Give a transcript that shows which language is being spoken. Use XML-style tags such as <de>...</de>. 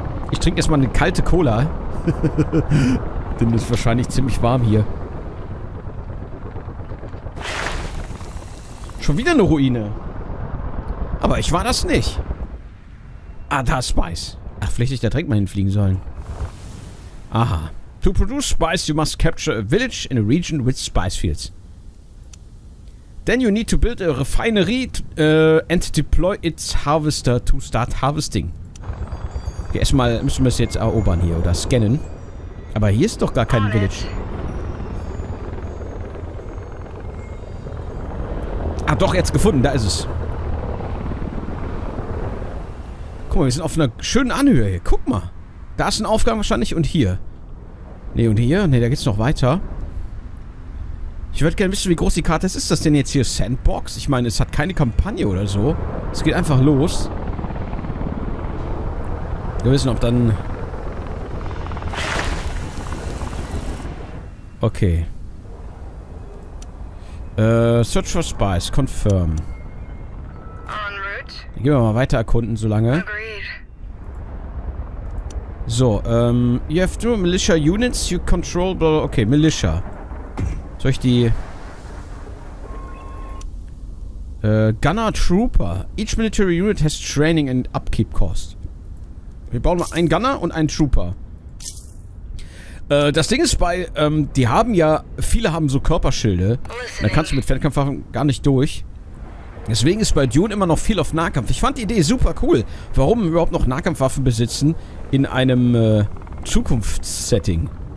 <de>Ich trinke erstmal eine kalte Cola. Denn es ist wahrscheinlich ziemlich warm hier. Schon wieder eine Ruine. Aber ich war das nicht. Ah, da ist Spice. Ach, vielleicht hätte ich da direkt mal hinfliegen sollen. Aha.</de> <en>To produce spice, you must capture a village in a region with spice fields. Then you need to build a refinery and deploy its harvester to start harvesting.</en> <de>Okay, erstmal müssen wir es jetzt erobern hier oder scannen. Aber hier ist doch gar kein Village. Ah doch, jetzt gefunden, da ist es. Guck mal, wir sind auf einer schönen Anhöhe hier. Guck mal. Da ist ein Aufgang wahrscheinlich und hier. Ne, und hier? Ne, da geht's noch weiter. Ich würde gerne wissen, wie groß die Karte ist. Ist das denn jetzt hier Sandbox? Ich meine, es hat keine Kampagne oder so. Es geht einfach los. Wir wissen, ob dann... Okay.</de> <en>Search for Spice. Confirm.</en> <de>Dann gehen wir mal weiter erkunden, solange.</de> <en>So, you have two militia units, you control, okay, militia.</en> <de>Soll ich die, Gunner Trooper.</de> <en>Each military unit has training and upkeep cost.</en> <de>Wir bauen mal einen Gunner und einen Trooper. Das Ding ist bei, die haben ja, viele haben so Körperschilde. Da kannst du mit Fernkampfwaffen gar nicht durch. Deswegen ist bei Dune immer noch viel auf Nahkampf. Ich fand die Idee super cool. Warum überhaupt noch Nahkampfwaffen besitzen in einem Zukunftssetting?</de>